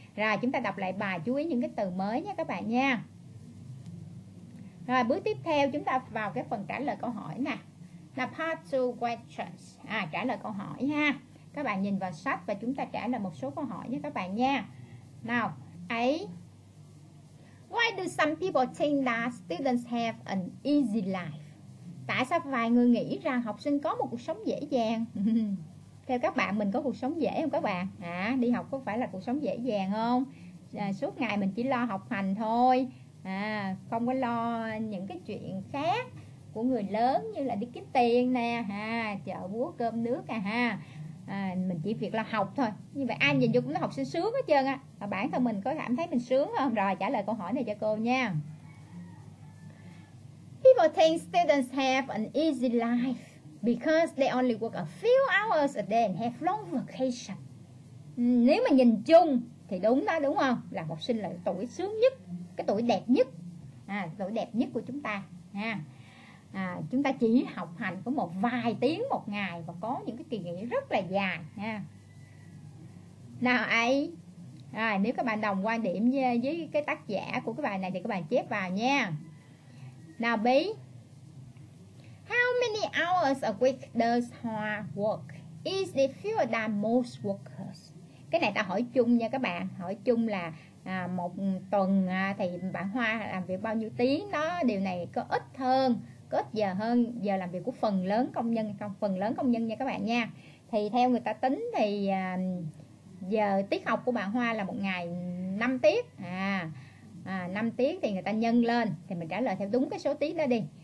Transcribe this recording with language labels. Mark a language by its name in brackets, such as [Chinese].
[Vietnamese] Rồi chúng ta đọc lại bài, chú ý những cái từ mới nha các bạn nha. Rồi bước tiếp theo chúng ta vào cái phần trả lời câu hỏi nè. Là [English] part 2 questions. [Vietnamese] Trả lời câu hỏi ha. Các bạn nhìn vào sách và chúng ta trả lời một số câu hỏi nha các bạn nha. Nào, ấy. [English] Why do some people think that students have an easy life? [Vietnamese] Tại sao vài người nghĩ rằng học sinh có một cuộc sống dễ dàng? Theo các bạn, mình có cuộc sống dễ không các bạn? Đi học có phải là cuộc sống dễ dàng không? Suốt ngày mình chỉ lo học hành thôi, không có lo những cái chuyện khác của người lớn như là đi kiếm tiền nè, chợ búa cơm nước mình chỉ việc lo học thôi. Như vậy ai nhìn vô cũng thấy học sinh sướng hết trơn á. Bản thân mình có cảm thấy mình sướng không? Rồi trả lời câu hỏi này cho cô nha. [English] People think students have an easy life because they only work a few hours a day and have long vacation. [Vietnamese] Nếu mà nhìn chung thì đúng đó, đúng không? Là học sinh là tuổi sướng nhất, cái tuổi đẹp nhất, tuổi đẹp nhất của chúng ta. Chúng ta chỉ học hành có một vài tiếng một ngày và có những cái kỳ nghỉ rất là dài. Nào ấy, nếu các bạn đồng quan điểm với cái tác giả của cái bài này thì các bạn chép vào nha. [English] Now B, how many hours a week does Hoa work? Is it fewer than most workers? [Vietnamese] Cái này ta hỏi chung nha các bạn. Hỏi chung là một tuần thì bạn Hoa làm việc bao nhiêu tiếng đó. Điều này có ít hơn, có ít giờ hơn giờ làm việc của phần lớn công nhân không? Phần lớn công nhân nha các bạn nha. Thì theo người ta tính thì giờ tiết học của bạn Hoa là một ngày 5 tiết. 5 tiếng thì người ta nhân lên. Thì mình trả lời theo đúng cái số tiếng đó đi.